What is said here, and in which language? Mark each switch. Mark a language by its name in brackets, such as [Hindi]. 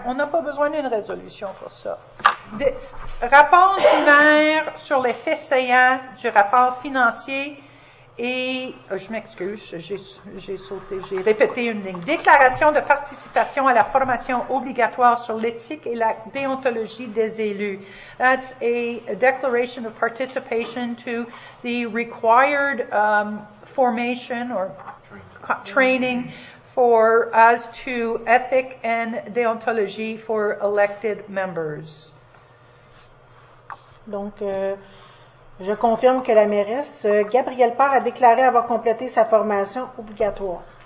[French] On n'a pas besoin d'une résolution pour ça. Rapport du maire sur les faits saillants du rapport financier. Et je m'excuse, j'ai répété une ligne. Déclaration de participation à la formation obligatoire sur l'éthique et la déontologie des élus. [English] That's a declaration of participation to the required formation or training for as to ethic and déontologie for elected members. [French] Donc je confirme que la mairesse Gabrielle Parr a déclaré avoir complété sa formation obligatoire.